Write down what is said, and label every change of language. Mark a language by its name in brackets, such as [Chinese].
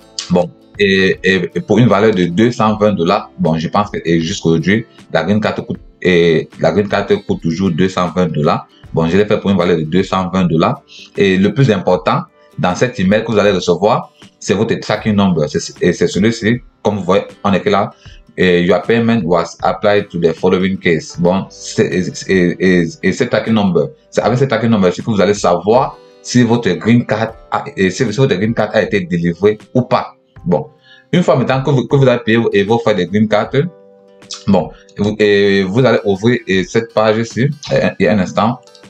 [French] Bon, et pour une valeur de 220 $, bon, je pense que jusqu'aujourd'hui, la green card coûte. Et la green card coûte toujours 220 $. Bon, je l'ai fait pour une valeur de 220 $. Et le plus important dans cet email que vous allez recevoir, c'est votre tracking number. Et c'est celui-ci, comme vous voyez, on écrit là. [English] Your payment was applied to the following case. [French] Bon, et ce tracking number, c'est avec ce tracking number que vous allez savoir si votre green card a été délivré ou pas. Bon, Une fois maintenant que vous avez payé et vos frais de Green Card, bon, vous allez ouvrir cette page ici, il y a un instant.